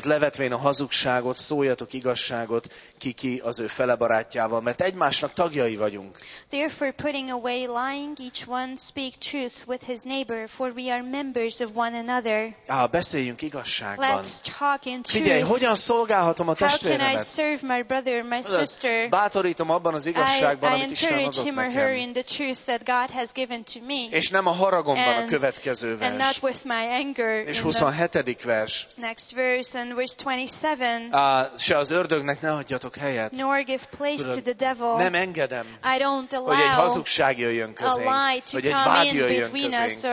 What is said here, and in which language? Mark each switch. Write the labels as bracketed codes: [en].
[hu] Azért levetvén a hazugságot, szóljatok igazságot, ki az ő fele barátjával, mert egymásnak tagjai vagyunk. [en] Therefore putting away lying, each one speak truth with his neighbor, for we are members of one another. [hu] Beszéljünk igazságban. [en] Let's talk in truth. [hu] Figyelj, hogyan szolgálhatom a testvéremet? [en] How can I serve my brother, my sister? [hu] Bátorítom abban az igazságban, amit Isten adott nekem. [en] Or her in the truth that God has given to me. [hu] És nem a haragomban a következő vers. [en] And not with my anger. [hu] És 27. vers. [en] Next verse and verse 27. [hu] Se az ördögnek ne adjatok helyet. [en] Nor give place to the devil. [hu] Nem engedem. [en] I don't allow. [hu] Hogy egy hazugság jöjjön közénk, hogy egy vád jöjjön közénk,